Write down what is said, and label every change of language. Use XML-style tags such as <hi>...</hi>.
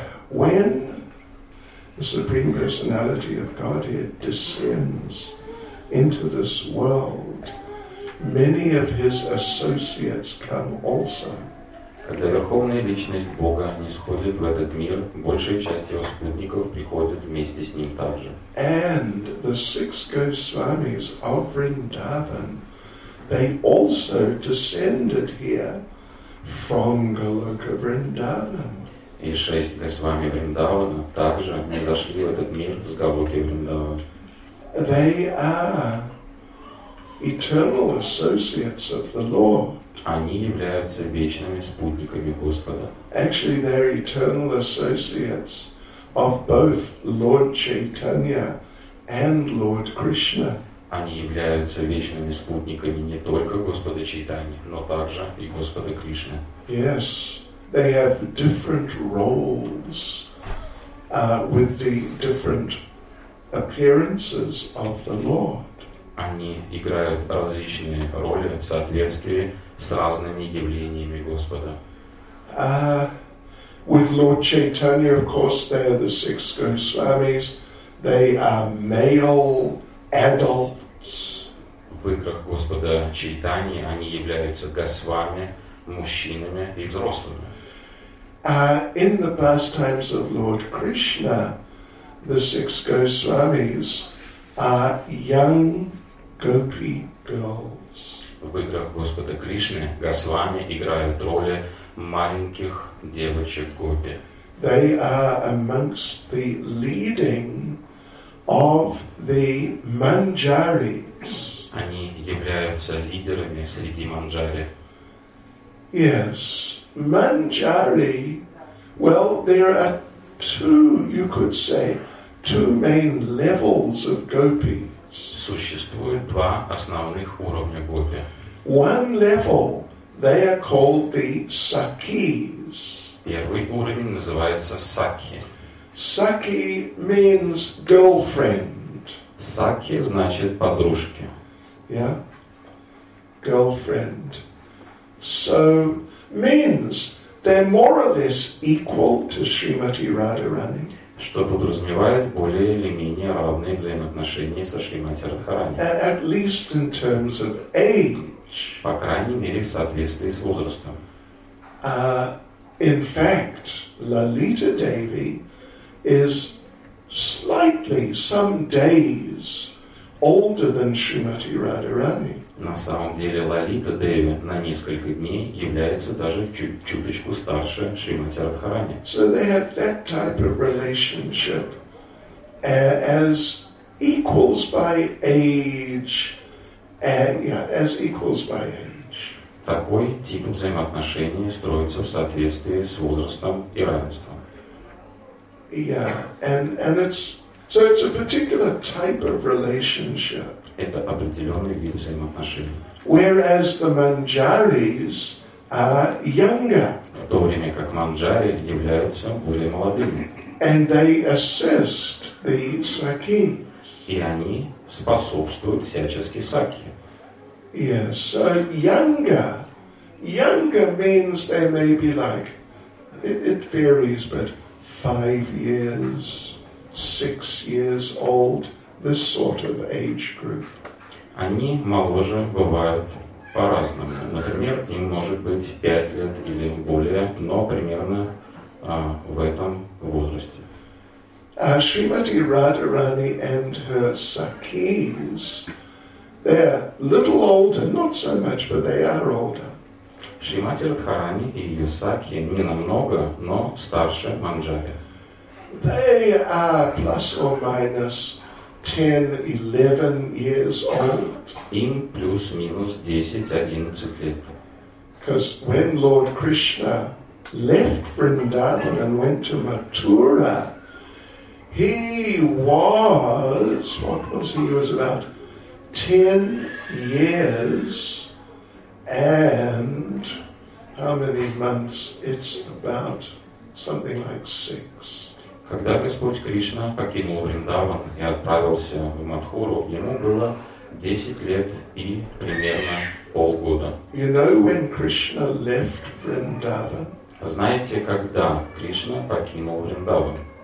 <en>When the Supreme Personality of Godhead descends into this world, many of his associates come also.</en> <ru>Когда Верховная Личность Бога нисходит в этот мир, большая часть его спутников приходит вместе с ним также.</ru> <en>And the six Goswamis of Vrindavan, they also descended here from Goloka Vrindavan.</en> <ru>И шесть Госвами Вриндавана также не зашли в этот мир с Голоки Вриндавана.</ru> <en>They are eternal associates of the Lord.</en> <ru>Они являются вечными спутниками Господа.</ru> <en>Actually, they're eternal associates of both Lord Chaitanya and Lord Krishna.</en> <ru>Они являются вечными спутниками не только Господа Чайтаньи, но также и Господа Кришны.</ru> <en>Yes, they have different roles with the different appearances of the Lord.</en> <ru>Они играют различные роли в соответствии с разными явлениями Господа.</ru> <en>With Lord Chaitanya, of course, they are the six Goswamis. They are male adults.</en> <ru>В играх Господа Чайтаньи они являются госвами, мужчинами и взрослыми.</ru> <en>In the pastimes of Lord Krishna, the six Goswamis are young gopi girls.</en> <ru>В играх Господа Кришны госвами играют роли маленьких девочек гопи.</ru> <en>They are amongst the leading of the Manjaris.</en> <ru>Они являются лидерами среди Манджари.</ru> <en>Yes, Manjari. Well, there are two, you could say, two main levels of gopis.</en> <ru>Существует два основных уровня гопи.</ru> <en>One level, they are called the Sakis.</en> <ru>Первый уровень называется Сакхи.</ru> <en>Saki means girlfriend.</en> <ru>Saki значит подружки.</ru> <en>Yeah? Girlfriend. So, means they're more or less equal to Srimati Radharani.</en> <ru>Что подразумевает более или менее равные взаимоотношения со Шримати Радхарани.</ru> <en>At least in terms of age.</en> <ru>По крайней мере, в соответствии с возрастом.</ru> <en>In fact, Lalita Devi is slightly some days older than Srimati Radharani.</en> <ru>На самом деле Лалита Деви на несколько дней является даже чуточку старше Шримати Радхарани.</ru> <en>So they have that type of relationship as equals by age, as equals by age.</en> <ru>Такой тип взаимоотношений строится в соответствии с возрастом и равенством.</ru> <en>Yeah, and it's a particular type of relationship.</en> <ru>Это определенный вид взаимоотношений.</ru> <en>Whereas the Manjaris are younger.</en> <ru>В то время как Манджари являются более молодыми.</ru> <en>And they assist the Sakis.</en> <ru>И они способствуют всячески Сакхи.</ru> <en>Yes, so younger. Younger means they may be like, it varies, but 5 years, 6 years old, this sort of age group.</en> <ru>Они моложе бывают по-разному. Например, им может быть 5 лет или более, но примерно в этом возрасте.</ru> <en>Shrimati Radharani and her sakis, they're little older, not so much, but they are older.</en> <ru>Шримати Радхарани и ее сакхи не намного, но старше Манджари.</ru> <en>They are plus or minus 10-11 years old.</en> <ru>Им плюс-минус 10-11 лет.</ru> <en>Because when Lord Krishna left Vrindavan and went to Mathura, he was, what was he? He was about 10 years and how many months? It's about something like 6.</en> <ru>Когда Господь Кришна покинул Вриндаван и отправился в Матхуру, ему было 10 лет и примерно полгода.</ru> <en>You know when Krishna left Vrindavan?</en> <ru>Знаете, когда Кришна покинул Вриндаван?</ru>